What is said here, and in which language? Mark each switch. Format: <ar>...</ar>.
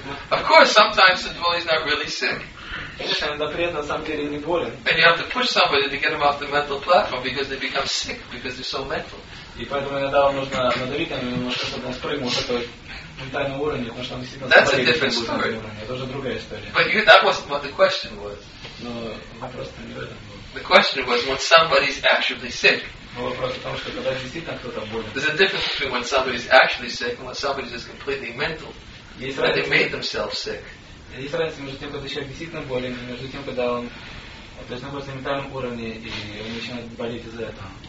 <en>Of course, sometimes the devotee is not really sick. And you have to push somebody to get him off the mental platform because they become sick because they're so mental.</en> <ru>И поэтому иногда вам нужно надавить на него немножко, чтобы он спрыгнул с этого ментального уровня, потому что он действительно спрыгнул. Это уже другая история.</ru> <en>But that wasn't what the question was.</en> <ru>Но вопрос-то не в этом был.</ru> <en>The question was when somebody's actually sick.</en> <ru>Но вопрос в том, что когда действительно кто-то болен.</ru> <en>There's a difference between when somebody's actually sick and when somebody's just completely mental. When they made themselves sick.</en> <ru>Есть разница между тем, когда человек действительно болен, и между тем, когда он то есть находится на ментальном уровне, и он начинает болеть из-за этого.</ru>